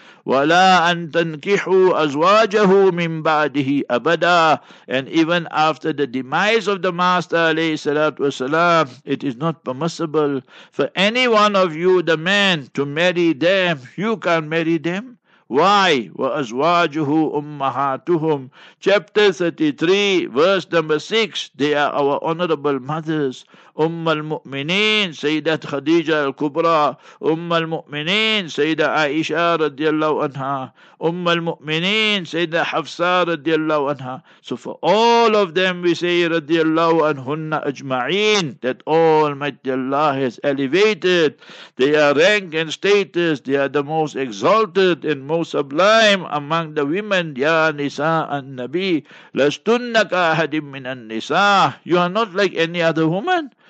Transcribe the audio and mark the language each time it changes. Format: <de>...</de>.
<ar>وَلَا أَن تَنْكِحُوا أَزْوَاجَهُ مِنْ بَعْدِهِ أَبَدًا,</ar> <en>and even after the demise of the Master</en> <ar>عليه الصلاة والسلام,</ar> <en>it is not permissible for any one of you, the man, to marry them. You can't marry them. Why?</en> <ar>وَأَزْوَاجُهُ أُمَّهَاتُهُمْ,</ar> <en>chapter 33, verse number 6, they are our honorable mothers.</en> <ar>أم المؤمنين سيدة خديجة الكبرى, أم المؤمنين سيدة عائشة رضي الله عنها, أم المؤمنين سيدة حفصة رضي الله عنها.</ar> <en>So for all of them we say</en> <ar>رضي الله عنهن أجمعين,</ar> <en>that Almighty Allah has elevated their rank and status. They are the most exalted and most sublime among the women.</en> <ar>Ya Nisa An-Nabi, lastunnaka ahadim minan Nisa,</ar> <en>you are not like any other woman.</en>